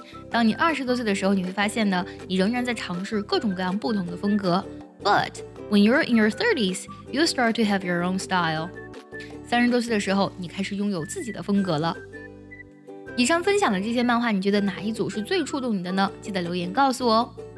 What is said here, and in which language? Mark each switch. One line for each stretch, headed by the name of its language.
Chinese: 当你20多岁的时候，你会发现呢，你仍然在尝试各种各样不同的风格。
English: But when you're in your 30s, you start to have your own style.
Chinese: 30多岁的时候，你开始拥有自己的风格了。以上分享的这些漫画，你觉得哪一组是最触动你的呢？记得留言告诉我哦。